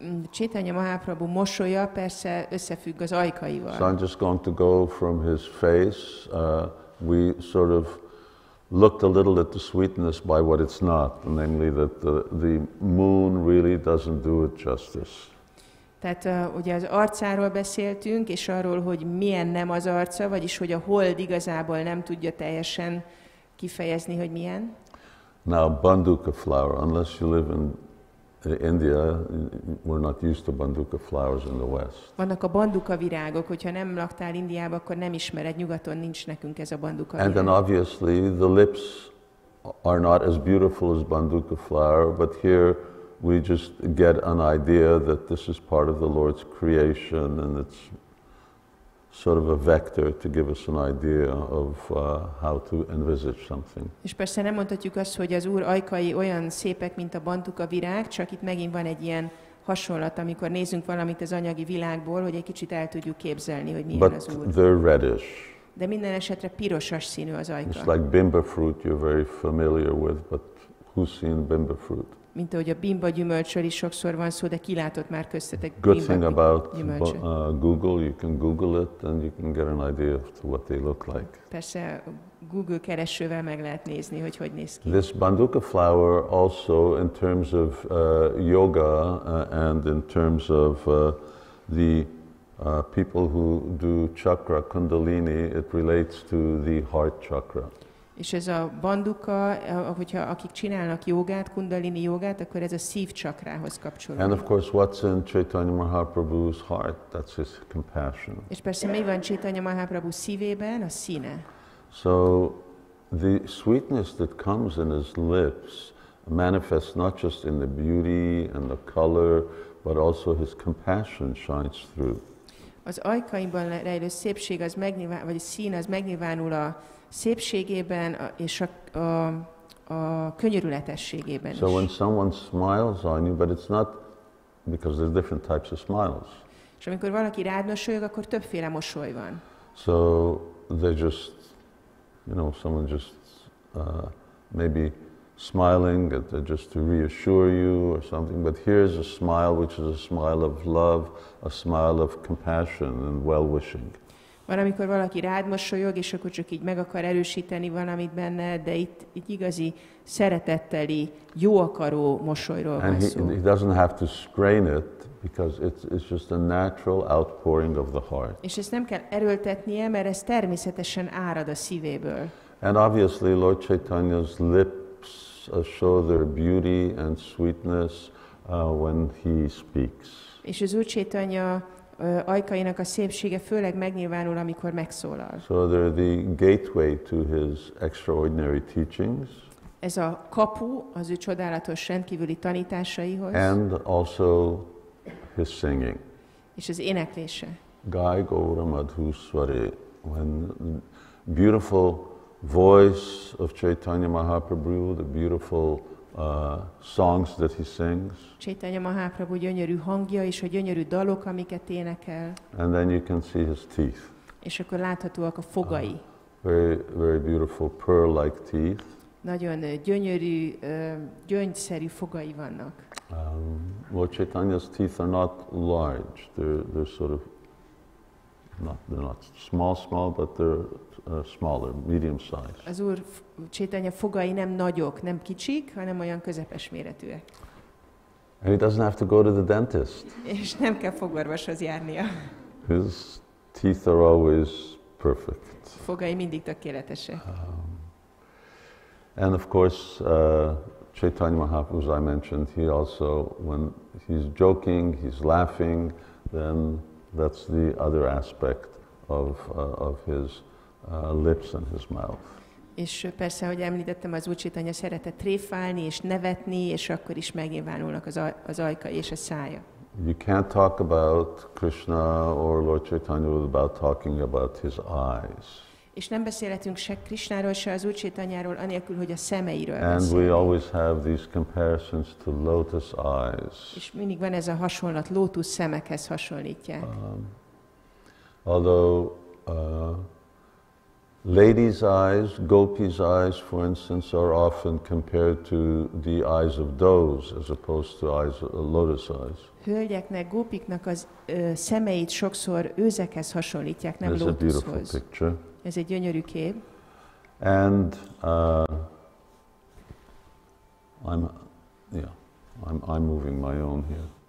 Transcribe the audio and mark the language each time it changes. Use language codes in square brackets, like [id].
[hu] Chaitanya Mahaprabhu mosolya persze összefügg az ajkaival. [en] So I'm just going to go from his face. We sort of looked a little at the sweetness by what it's not, namely that the moon really doesn't do it justice. [hu] Tehát ugye az arcáról beszéltünk, és arról, hogy milyen nem az arca, vagyis hogy a hold igazából nem tudja teljesen kifejezni, hogy milyen. [en] Now, banduka flower, unless you live in India, we're not used to banduka flowers in the West. [hu] Vannak a banduka virágok, hogyha nem laktál Indiában, akkor nem ismered, nyugaton nincs nekünk ez a banduka virág. [en] And then obviously the lips are not as beautiful as banduka flower, but here we just get an idea that this is part of the Lord's creation and it's sort of a vector to give us an idea of how to envisage something. [hu] És persze nem mondhatjuk azt, hogy az Úr ajkai olyan szépek, mint a banduka virág, csak itt megint van egy ilyen hasonlat, amikor nézünk valamit az anyagi világból, hogy egy kicsit el tudjuk képzelni, hogy milyen [en] But [hu] az Úr. [en] But they're reddish. [hu] De minden esetre pirosas színű az ajka. [en] It's like bimba fruit you're very familiar with, but who's seen bimba fruit? [hu] Mint ahogy a bimba gyümölcsről is sokszor van szó, de kilátott már köztetek bimba gyümölcsöt. [en] Google, you can Google it, and you can get an idea of what they look like. [hu] Persze Google keresővel meg lehet nézni, hogy hogy néz ki. [en] This banduka flower also, in terms of yoga, and in terms of the people who do chakra, kundalini, it relates to the heart chakra. [hu] És ez a banduka, hogyha akik csinálnak jogát, kundalini jogát, akkor ez a szív csakrához kapcsolódik. [en] And of course, what's in Chaitanya Mahaprabhu's heart? That's his compassion. [hu] És persze mi van Chaitanya Mahaprabhu szívében? A színe. [en] So the sweetness that comes in his lips manifests not just in the beauty and the color, but also his compassion shines through. [hu] Az ajkaiban rejlő szépség az megnyilván, vagy a szín az megnyilvánul a szépségében és a könyörületességében is. [en] So when someone smiles on you, but it's not because there's different types of smiles. [hu] És amikor valaki rád mosolyog, akkor többféle mosoly van. [en] So they just, you know, someone just maybe smiling just to reassure you or something, but here's a smile which is a smile of love, a smile of compassion and well-wishing. [hu] Van, amikor valaki rád mosolyog, és akkor csak így meg akar erősíteni valamit benne, de itt egy igazi szeretetteli, jó akaró mosolyról van szó. [en] He doesn't have to strain it, because it's just a natural outpouring of the heart. [hu] És ezt nem kell erőltetnie, mert ez természetesen árad a szívéből. [en] And obviously Lord Chaitanya's lips show their beauty and sweetness when he speaks. [hu] És az Úr Chaitanya ajkainak a szépsége főleg megnyilvánul, amikor megszólal. [en] So they're the gateway to his extraordinary teachings. [hu] Ez a kapu az ő csodálatos rendkívüli tanításaihoz. [en] And also his singing. [hu] És az éneklése. [bn] Gai Gaura Madhu Swari. [en] When the beautiful voice of Chaitanya Mahaprabhu, the beautiful songs that he sings. [hu] Chaitanya Mahaprabhu gyönyörű hangja és a gyönyörű dalok, amiket énekel. [en] And then you can see his teeth. [hu] És akkor láthatóak a fogai. [en] Very, very beautiful pearl-like teeth. [hu] Nagyon gyönyörű, gyöngyszerű fogai vannak. [en] Lord Chaitanya's teeth are not large. They're sort of not small, but they're smaller, medium size. [hu] Az Úr Chaitanya fogai nem nagyok, nem kicsik, hanem olyan közepes méretűek. [en] And he doesn't have to go to the dentist. [hu] És nem kell fogorvoshoz járnia. [en] His teeth are always perfect. [hu] Fogai mindig tökéletesek. [en] And of course, Chaitanya Mahaprabhu, as I mentioned, he also, when he's joking, he's laughing, then that's the other aspect of his lips and his mouth. [hu] És persze, hogy említettem, az Úr Chaitanya szeretett tréfálni és nevetni, és akkor is megnyilvánulnak az ajka és a szája. [en] You can't talk about Krishna or Lord Chaitanya without talking about his eyes. [hu] És nem beszélhetünk se Krishnáról, se az Úr Chaitanyáról, anélkül, hogy a szemeiről beszélünk. [en] And we always have these comparisons to lotus eyes. [hu] És mindig van ez a hasonlat, lótusz szemekhez hasonlítják. [en] Although ladies' eyes, gopis' eyes, for instance, are often compared to the eyes of does, as opposed to eyes, lotus eyes. [hu] Hölgyeknek, gópiknak az szemeit sokszor őzekhez hasonlítják, nem lótuszhoz. [en] It's a beautiful picture. [hu] Ez egy gyönyörű kép. [en] And I'm moving my own here.